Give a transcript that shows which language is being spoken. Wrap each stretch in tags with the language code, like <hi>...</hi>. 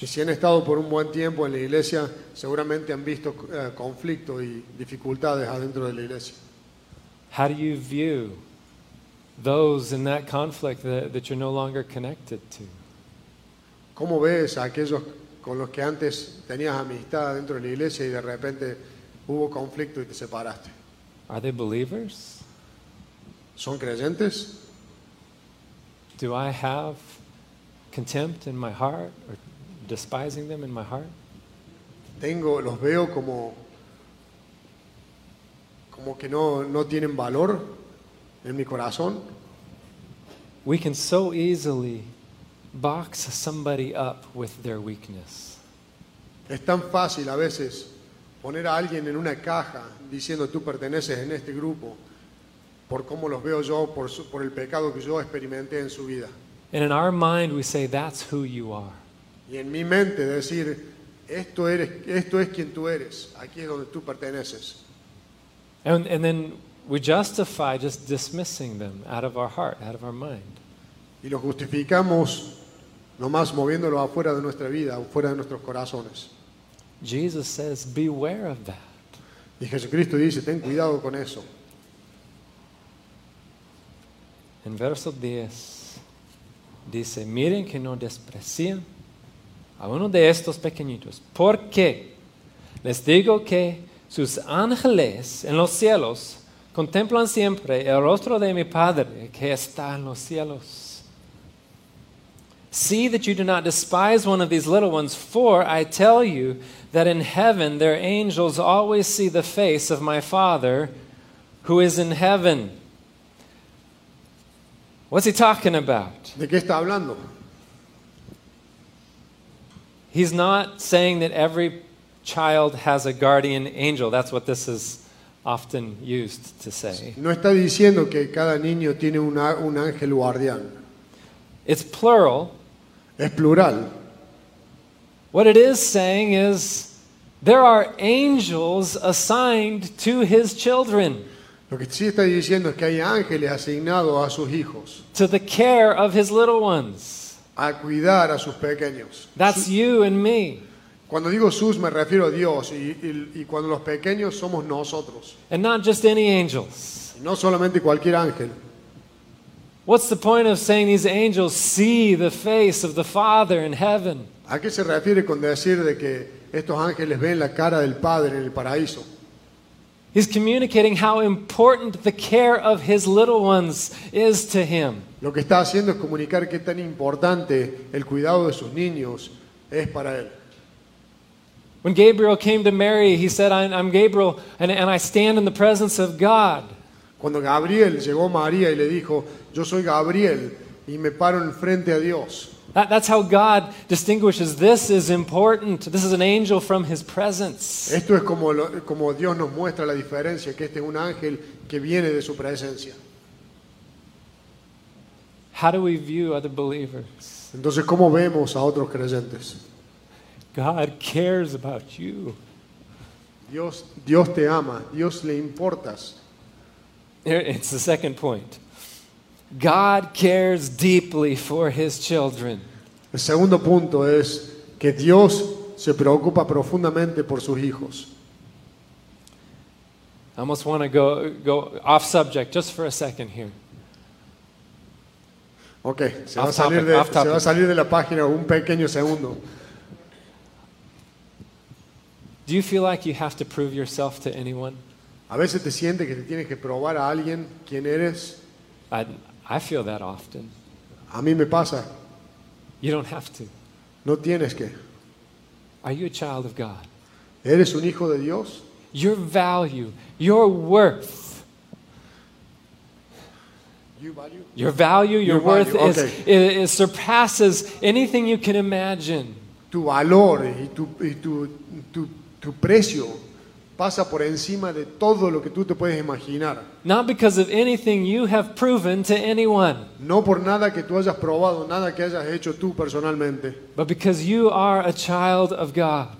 <es>Y si han estado por un buen tiempo en la iglesia, seguramente han visto conflicto y dificultades adentro de la iglesia.</es> <en>How do you view those in that conflict that you're no longer connected to?</en> <es>¿Cómo ves a aquellos con los que antes tenías amistad dentro de la iglesia y de repente hubo conflicto y te separaste?</es> <en>Are they believers?</en> <es>¿Son creyentes?</es> <en>Do I have contempt in my heart or despising them in my heart?</en> <es>Tengo, los veo como que no tienen valor en mi corazón.</es> <en>We can so easily box somebody up with their weakness.</en> <es>Es tan fácil a veces poner a alguien en una caja diciendo tú perteneces en este grupo por cómo los veo yo, por el pecado que yo experimenté en su vida.</es> <en>And in our mind we say that's who you are.</en> <es>Y en mi mente decir esto es quien tú eres, aquí es donde tú perteneces.</es> <en>And then we justify just dismissing them out of our heart, out of our mind.</en> <es>Y lo justificamos nomás moviéndolo afuera de nuestra vida, afuera de nuestros corazones.</es> <en>Jesus says, beware of that.</en> <es>Y Jesucristo dice, ten cuidado con eso. En verso 10, dice, miren que no desprecien a uno de estos pequeñitos. ¿Por qué? Les digo que sus ángeles en los cielos contemplan siempre el rostro de mi Padre que está en los cielos.</es> <en>See that you do not despise one of these little ones, for I tell you that in heaven their angels always see the face of my Father who is in heaven. What's he talking about?</en> <es>¿De qué está hablando?</es> <en>He's not saying that every child has a guardian angel. That's what this is often used to say.</en> <es>No está diciendo que cada niño tiene un ángel guardián.</es> <en>It's plural.</en> <es>Es plural.</es> <en>What it is saying is there are angels assigned to his children.</en> <es>Lo que sí está diciendo es que hay ángeles asignados a sus hijos.</es> <en>To the care of his little ones.</en> <es>A cuidar a sus pequeños.</es> <en>That's you and me.</en> <es>Cuando digo sus, me refiero a Dios y cuando los pequeños somos nosotros.</es> <en>And not just any angels.</en> <es>No solamente cualquier ángel.</es> <en>What's the point of saying these angels see the face of the Father in heaven?</en> <es>¿A qué se refiere con decir de que estos ángeles ven la cara del Padre en el paraíso?</es> <en>He's communicating how important the care of his little ones is to him.</en> <es>Lo que está haciendo es comunicar qué tan importante el cuidado de sus niños es para él.</es> <en>When Gabriel came to Mary, he said, I'm Gabriel and I stand in the presence of God.</en> <es>Cuando Gabriel llegó a María y le dijo, yo soy Gabriel y me paro en frente a Dios.</es> <en>That's how God distinguishes. This is important. This is an angel from his presence.</en> <es>Esto es como Dios nos muestra la diferencia, que este es un ángel que viene de su presencia.</es> <en>How do we view other believers?</en> <es>Entonces, ¿cómo vemos a otros creyentes?</es> <en>God cares about you.</en> <es>Dios te ama. Dios le importas.</es> <en>It's the second point. God cares deeply for his children.</en> <es>El segundo punto es que Dios se preocupa profundamente por sus hijos.</es> <en>I almost want to go off subject just for a second here.</en> <es>Okay, se va a salir de la página un pequeño segundo.</es> <en>Do you feel like you have to prove yourself to anyone?</en> <es>A veces te sientes que te tienes que probar a alguien quién eres.</es> <en>I feel that often.</en> <es>A mí me pasa.</es> <en>You don't have to.</en> <es>No tienes que.</es> <en>Are you a child of God?</en> <es>¿Eres un hijo de Dios?</es> <en>Your value, your worth. Your value, your worth, surpasses anything you can imagine.</en> <es>Tu valor y tu precio pasa por encima de todo lo que tú te puedes imaginar.</es> <en>Not because of anything you have proven to anyone.</en> <es>No por nada que tú hayas probado, nada que hayas hecho tú personalmente.</es> <en>But because you are a child of God.</en>